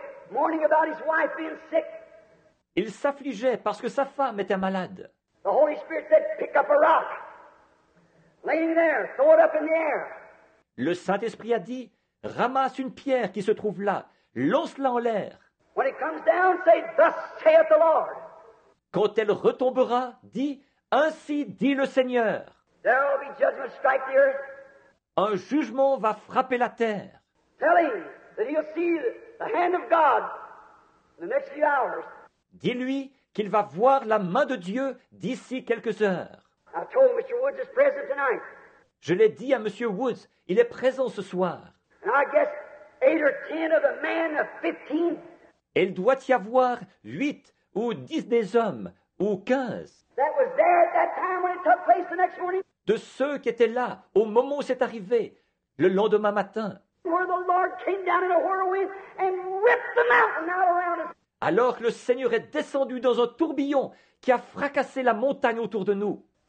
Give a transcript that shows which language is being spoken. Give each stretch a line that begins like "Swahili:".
English: Mourning about his wife being sick.
French: Il s'affligeait parce que sa femme était malade.
English: The Holy Spirit said, pick up a rock. Lay it there, throw it up in the air.
French: Le Saint-Esprit a dit, ramasse une pierre qui se trouve là, lance-la en l'air.
English: When it comes down, say, thus saith the Lord.
French: Quand elle retombera, dis, ainsi dit le Seigneur.
English: There will be judgment strike the earth.
French: Un jugement va frapper la terre.
English: Tell him that he'll see the hand of God in the next few hours.
French: Dis-lui qu'il va voir la main de Dieu d'ici quelques heures.
English: I told Mr. Woods is present tonight.
French: Je l'ai dit à Monsieur Woods, il est présent ce soir.
English: And I guess 8 or 10 of the men of 15.
French: Et il doit y avoir 8 ou 10 des hommes ou 15.
English: That was there at that time when it took place the next morning.
French: De ceux qui étaient là au moment où c'est arrivé, le lendemain matin.
English: Where the Lord came down in a whirlwind and ripped the mountain out around us.
French: Alors que le Seigneur est descendu dans un tourbillon qui a fracassé la montagne autour de nous.